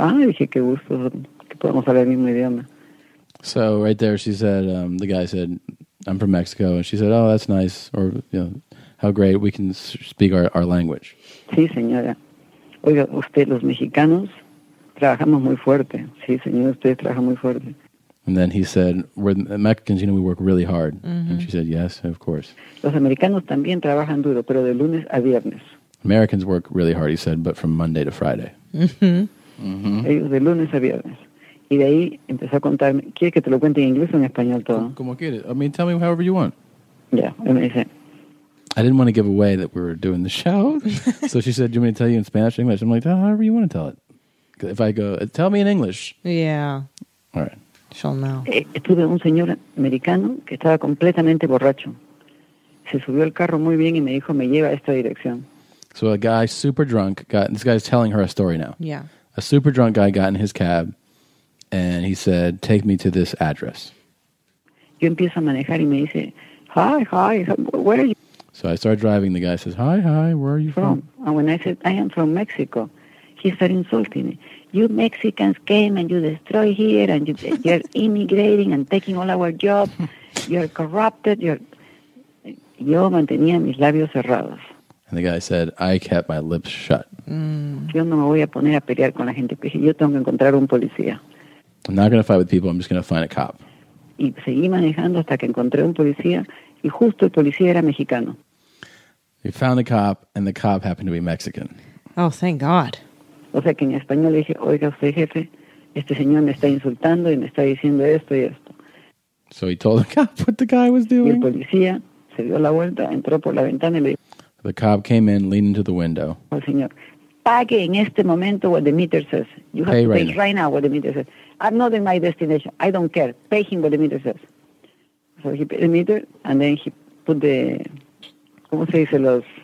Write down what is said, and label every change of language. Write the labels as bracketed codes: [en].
[es] Ah, dije, qué gusto que podamos hablar el mismo idioma. [en] So right there, she said, the guy said, I'm from Mexico. And she said, oh, that's nice. Or, you know, how great we can speak our language. [es] Sí, señora. Oiga, usted, los mexicanos, trabajamos muy fuerte. Sí, señor, usted trabaja muy fuerte. [en] And then he said, we're Mexicans, you know, we work really hard. Mm-hmm. And she said, yes, of course. [es] Los americanos también trabajan duro, pero de lunes a viernes. [en] Americans work really hard, he said, but from Monday to Friday. Mm-hmm. Mm-hmm. [es] Ellos de lunes a viernes. Y de ahí empezó a contarme, ¿quieres que te lo cuente en inglés o en español todo? Como quieres. [en] I mean, tell me however you want. [es] Yeah, él me dice. [en] I didn't want to give away that we were doing the show. So she said, do you want me to tell you in Spanish or English? I'm like, oh, however you want to tell it. If I go, tell me in English. Yeah. All right. She'll know. [es] Estuve un señor americano que estaba completamente borracho. Se subió el carro muy bien y me dijo, me lleva a esta dirección. [en] So a guy super drunk got, this guy's telling her a story now. Yeah. A super drunk guy got in his cab and he said, take me to this address. [es] Yo empiezo a manejar y me dice, [en] hi, where are you? So I started driving. The guy says, hi, where are you from? And when I said, I am from Mexico. He started insulting me. You Mexicans came and you destroy here and you're immigrating and taking all our jobs. You're corrupted. [es] Yo mantenía mis labios cerrados. [en] And the guy said, I kept my lips shut. [es] Yo no me voy a poner a pelear con la gente. Yo tengo que encontrar un policía. [en] I'm not going to fight with people. I'm just going to find a cop. [es] Y seguí manejando hasta que encontré un policía. Y justo el policía era mexicano. [en] He found a cop and the cop happened to be Mexican. Oh, thank God. [es] O sea, que en español le dije, oiga usted, jefe, este señor me está insultando y me está diciendo esto y esto. [en] So he told the cop what the guy was doing. [es] Y el policía se dio la vuelta, entró por la ventana y le dijo. [en] The cop came in, leaned into the window. [es] El señor, pague en este momento [en] what the meter says. You have pay to right pay now. Right now what the meter says. I'm not in my destination. I don't care. Pay him what the meter says. So he bit the meter, and then he put the, [es] ¿cómo se dice los?